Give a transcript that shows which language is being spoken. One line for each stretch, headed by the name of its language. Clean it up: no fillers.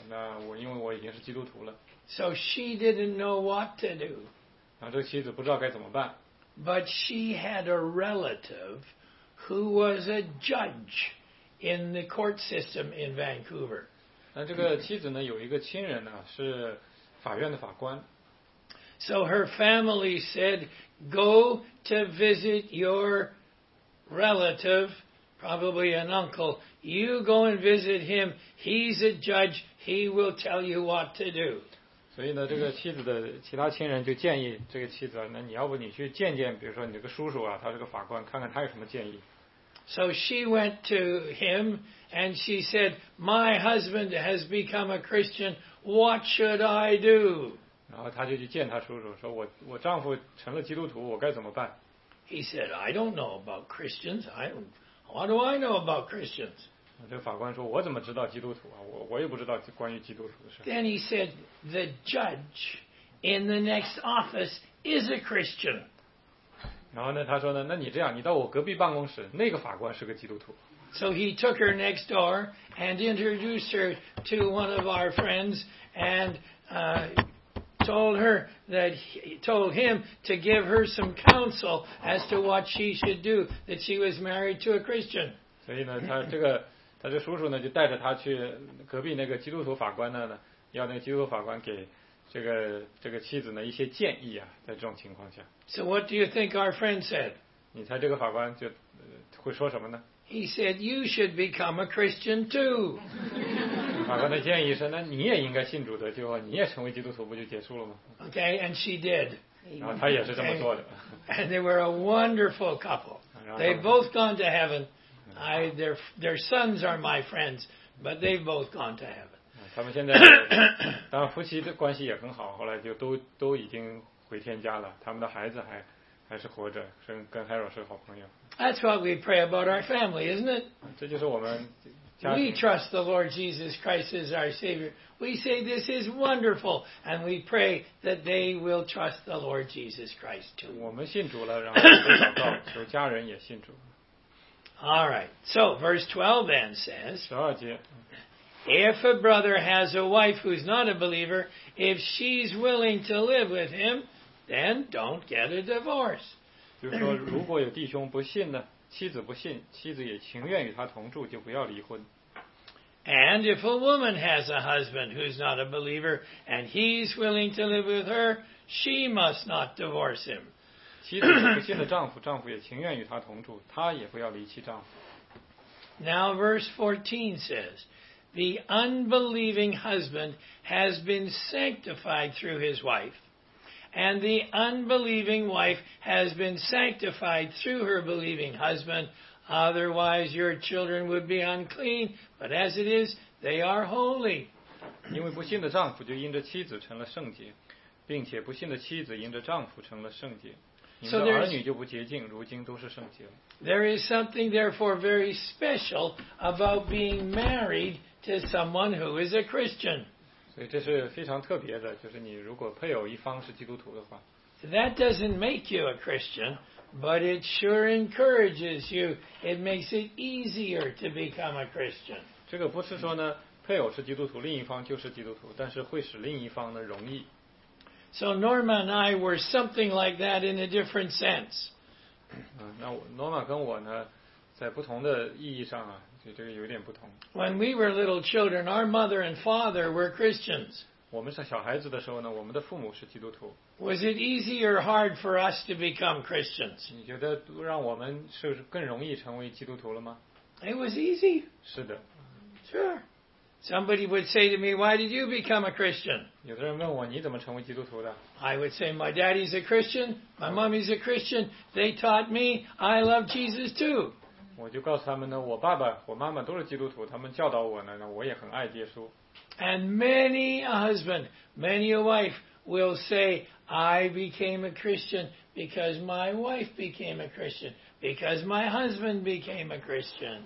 Chinese: 那我因为我已经是基督徒了。
English: So she didn't know what to do.
Chinese: 然后这个妻子不知道该怎么办。
English: But she had a relative who was a judge in the court system in Vancouver.
Chinese: 那这个妻子呢有一个亲人呢是法院的法官。
English: So her family said, go to visit your relative, probably an uncle. You go and visit him. He's a judge. He will tell you what to do.
Chinese: 所以呢这个妻子的其他亲人就建议这个妻子，那你要不你去见见，比如说你这个叔叔啊，他是个法官，看看他有什么建议。
English: So she went to him and she said, my husband has become a Christian. What should I do?
Chinese: 然后他就去见他叔叔，说我丈夫成了基督徒，我该怎么办？
English: He said, I don't know about Christians. What do I know about Christians?
Chinese: 这个法官说，我怎么知道基督徒啊？我也不知道关于基督徒的事。
English: Then he said, the judge in the next office is a Christian.
Chinese: 然后呢，他说呢，那你这样，你到我隔壁办公室，那个法官是个基督徒。
English: So he took her next door and introduced her to one of our friends and told him to give her some counsel as to what she should do, that she was married to a Christian.
Chinese: 所以呢，他这叔叔呢就带着他去隔壁那个基督徒法官那呢，要那个基督徒法官给这个妻子呢一些建议啊，在这种情况下。
English: So what do you think our friend said?
Chinese: 你猜这个法官就会说什么呢？
English: He said, you should become a Christian too.
Chinese: 法官的建议是，那你也应该信主得救啊，你也成为基督徒不就结束了吗？
English: Okay, and she did.
Chinese: 然后他也是这么做的。
English: And they were a wonderful couple. They've both gone to heaven. Their sons are my friends, but they've both gone to heaven.
Chinese: 他们现在当然夫妻的关系也很好，后来就都已经回天家了，他们的孩子还是活着，是跟 Harold 是个好朋友。
English: That's what we pray about our family, isn't it?
Chinese: 这就是我们。
English: We trust the Lord Jesus Christ as our Savior. We say this is wonderful, and we pray that they will trust the Lord Jesus Christ too.
Chinese: 我们信主了，然后就祷告，求家人也信主。
English: All right. So verse 12 then says,
Chinese: 12节,
English: if a brother has a wife who's not a believer, if she's willing to live with him, then don't get a divorce.
Chinese: 就是说，如果有弟兄不信呢？妻子不信，妻子也情愿与他同住，就不要离婚。
English: And if a woman has a husband who's not a believer, and he's willing to live with her, she must not divorce him.
Chinese: 妻子不信的丈夫，丈夫也情愿与他同住，他也不要离弃丈夫。
English: Now verse 14 says, the unbelieving husband has been sanctified through his wife. And the unbelieving wife has been sanctified through her believing husband. Otherwise, your children would be unclean. But as it is, they are holy.
Chinese: 因为不信的丈夫就因着妻子成了圣洁，并且不信的妻子因着丈夫成了圣洁。你的儿女就不洁净，如今都是圣洁了。
English: There is something, therefore, very special about being married to someone who is a Christian.
Chinese: 所以这是非常特别的，就是你如果配偶一方是基督徒的话。
English: That doesn't make you a Christian, but it sure encourages you. It makes it easier to become a Christian.
Chinese: 这个不是说呢，配偶是基督徒，另一方就是基督徒，但是会使另一方呢容易。
English: So Norma and I were something like that in a different sense.
Chinese: 那Norma跟我呢，在不同的意义上啊。
English: When we were little children, our mother and father were Christians.
Chinese: 我们是小孩子的时候呢，我们的父母是基督徒。
English: Was it easy or hard for us to become Christians?
Chinese: 你觉得让我们是更容易成为基督徒了吗？
English: It was easy.
Chinese: 是的。
English: Sure. Somebody would say to me, "Why did you become a Christian?"
Chinese: 有的人问我你怎么成为基督徒的？
English: I would say, "My daddy's a Christian. My mommy's a Christian. They taught me. I love Jesus too."
Chinese: 我就告诉他们呢，我爸爸、我妈妈都是基督徒，他们教导我呢，那我也很爱耶稣。
English: And many a husband, many a wife will say, I became a Christian because my wife became a Christian, because my husband became a Christian.